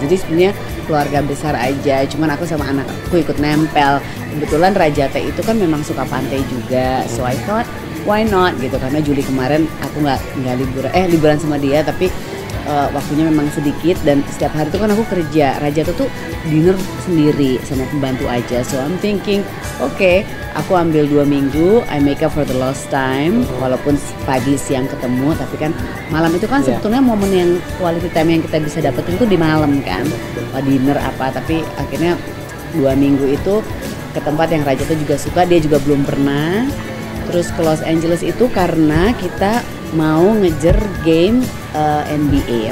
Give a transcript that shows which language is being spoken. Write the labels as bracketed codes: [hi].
[id] Jadi sebenarnya keluarga besar aja, cuman aku sama anakku ikut nempel. Kebetulan Raja Teh itu kan memang suka pantai juga, [en] so I thought why not [id] gitu, karena Juli kemarin aku nggak liburan sama dia, tapi waktunya memang sedikit dan setiap hari itu kan aku kerja. Raja tuh dinner sendiri sama pembantu aja. [en] So I'm thinking, okay, [id] aku ambil 2 minggu, [en] I make up for the lost time. [id] Walaupun pagi siang ketemu, tapi kan malam itu kan sebetulnya momen yang quality time yang kita bisa dapetin tuh di malam kan. Dinner apa, tapi akhirnya 2 minggu itu ke tempat yang Raja tuh juga suka, dia juga belum pernah. Terus ke Los Angeles itu karena kita mau ngejar game NBA.